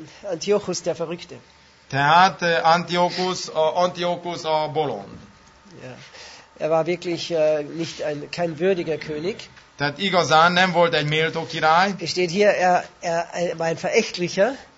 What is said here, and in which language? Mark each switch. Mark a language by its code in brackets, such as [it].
[de] Antiochus der Verrückte. [hu] Tehát Antiochus a bolond. [de] Ja. Er war wirklich nicht kein würdiger König. [hu] Tehát igazán nem volt egy méltó király. [de] Es steht hier, er war ein Verächtlicher.